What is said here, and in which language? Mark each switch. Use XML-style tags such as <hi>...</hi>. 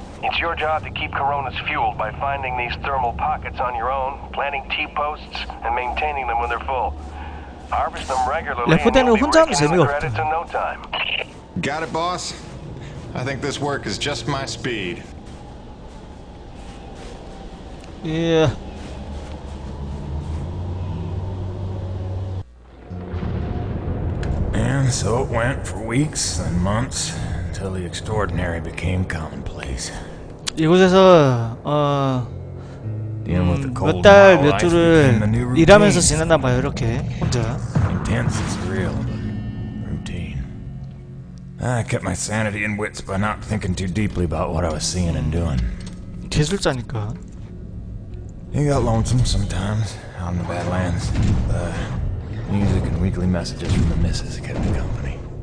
<en>It's your job to keep Corona's fueled by finding these thermal pockets on your own, planting T-posts, and maintaining them when they're full.</en> <ko>레프트는 혼자 하면 재미가 없다.</ko> <en>Got it, boss. I think this work is just my speed. Yeah. And so it went for weeks and months until the extraordinary became commonplace.</en> <ko>이곳에서 몇 달 몇 주를 일하면서 지냈나 봐요. 이렇게 혼자.</ko> <en>Intense is real, routine. I kept my sanity and wits by not thinking too deeply about what I was seeing and doing.</en> <ko>기술자니까.</ko> <en>It got lonesome sometimes out in the Badlands. Music and weekly messages from the missus kept me company.</en>